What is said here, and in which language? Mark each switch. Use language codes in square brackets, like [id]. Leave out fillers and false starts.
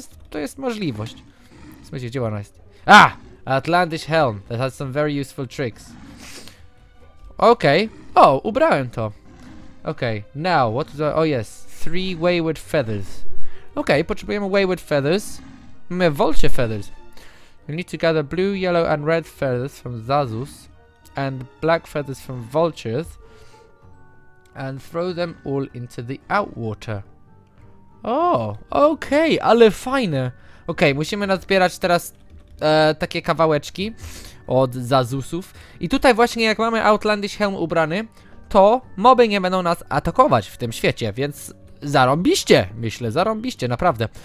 [pl] To jest możliwość. Słuchajcie, gdzie ona jest? A! Atlantis Helm. [en] That has some very useful tricks. [pl] Okej. Okay. O, ubrałem to. Okej. Okay. [en] Now, what do I... Oh, yes. 3 wayward feathers. [pl] Okej, okay, potrzebujemy [en] wayward feathers. My vulture feathers. We need to gather blue, yellow and red feathers from Zazus and black feathers from vultures and throw them all into the outwater. [pl] Oh, okej, okay, ale fajne. Okej, okay, musimy nazbierać teraz takie kawałeczki od Zazusów. I tutaj właśnie jak mamy Outlandish Helm ubrany, to moby nie będą nas atakować w tym świecie, więc zarąbiście, myślę, zarąbiście, naprawdę.